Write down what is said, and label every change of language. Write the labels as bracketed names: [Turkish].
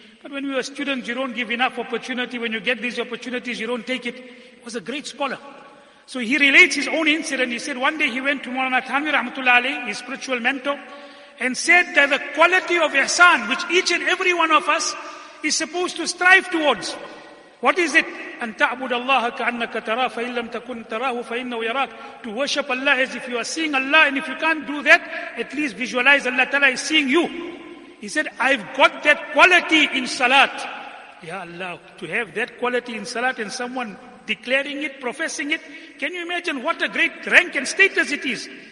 [English] But when we were students, you don't give enough opportunity. When you get these opportunities, you don't take it. He was a great scholar. So he relates his own incident. He said one day he went to Maulana Thanvi Rahmatullah Ali, his spiritual mentor, and said that the quality of ihsan, which each and every one of us is supposed to strive towards, what is it? [Arabic] أن تعبد الله كأنك ترى فإن لم تكن تراه فإنه يراك. [English] To worship Allah as if you are seeing Allah, and if you can't do that, at least visualize Allah Ta'ala is seeing you. He said, I've got that quality in salat. Ya Allah, to have that quality in salat and someone declaring it, professing it, can you imagine what a great rank and status it is?